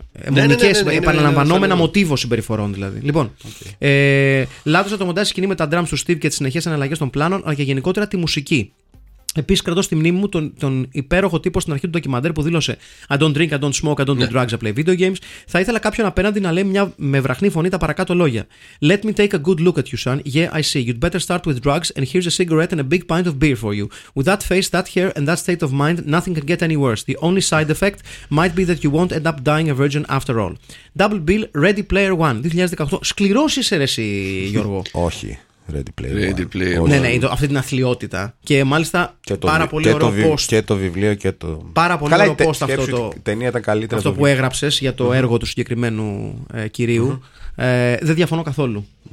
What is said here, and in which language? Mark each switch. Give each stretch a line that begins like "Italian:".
Greek: Μονικές, επαναλαμβανόμενα μοτίβο συμπεριφορών δηλαδή. Λοιπόν, λάτρεψα το μοντάζ σκηνή με τα drums του Στίβ και τις συνεχές εναλλαγές των πλάνων, αλλά και γενικότερα τη μουσική. Επίσης, κρατώ στη μνήμη μου τον υπέροχο τύπο στην αρχή του ντοκιμαντέρ που δήλωσε
English: I don't drink, I don't smoke, I don't do drugs, I play video games.
Greek: Θα ήθελα κάποιον απέναντι να λέει με βραχνή φωνή τα παρακάτω λόγια.
English: Let me take a good look at you, son. Yeah, I see. You'd better start with drugs and here's a cigarette and a big pint of beer for you. With that face, that hair and that state of mind, nothing can get any worse. The only side effect might be that you won't end up dying a virgin after all. Double Bill, Ready Player One, 2018.
Greek: Σκληρός είσαι, ρε εσύ, Γιώργο. Όχι. Ready Player One. Ready Player One. Ναι, ναι, αυτή την αθλειότητα. Και μάλιστα και πάρα πολύ και ωραίο post. Και το βιβλίο και το. Πάρα πολύ καλά, ωραίο post αυτό το. Η ταινία ήταν καλύτερα. Αυτό που έγραψες για το έργο του συγκεκριμένου κυρίου. Δεν διαφωνώ καθόλου.